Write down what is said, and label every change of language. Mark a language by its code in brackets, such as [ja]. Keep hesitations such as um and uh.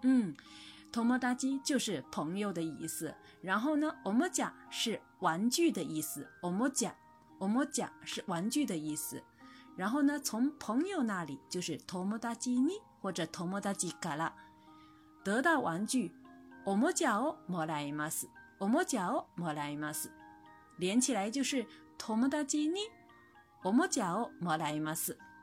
[ja] 嗯，トモダ [zh] 就是朋友的意思，然后呢，おもちゃ是玩具的意思，おもちゃ、おもちゃ是玩具的意思，然后呢，从朋友那里就是友達に或者友達から得到玩具。 [ja] おもちゃをもらいます。おもちゃをもらいます。 [zh] 連起来就是 [ja] 友達におもちゃをもらいます。